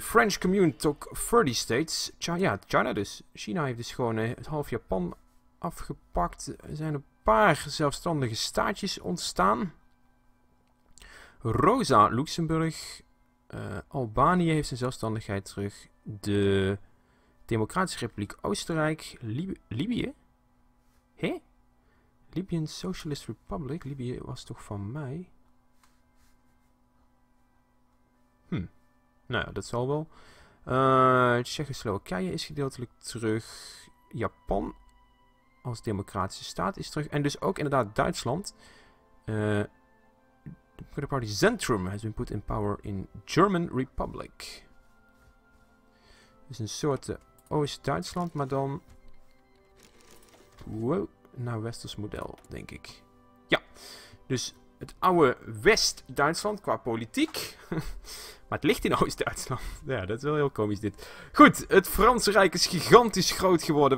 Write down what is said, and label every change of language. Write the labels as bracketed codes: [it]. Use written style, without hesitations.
[en] French commune took 30 states. [nl] China dus. China heeft dus gewoon het half Japan afgepakt. Er zijn een paar zelfstandige staatjes ontstaan. Rosa Luxemburg. Albanië heeft zijn zelfstandigheid terug. De Democratische Republiek Oostenrijk. Libië? Hé? [en] Libyan Socialist Republic. [nl] Libië was toch van mij? Nou ja, dat zal wel. Tsjechoslowakije is gedeeltelijk terug. Japan als democratische staat is terug. En dus ook inderdaad Duitsland. [en] The party Zentrum has been put in power in German Republic. [nl] Dus een soort Oost-Duitsland, maar dan... Wow. Naar westers model, denk ik. Ja, dus het oude West-Duitsland qua politiek. Maar het ligt in Oost-Duitsland. Ja, dat is wel heel komisch dit. Goed, het Franse Rijk is gigantisch groot geworden.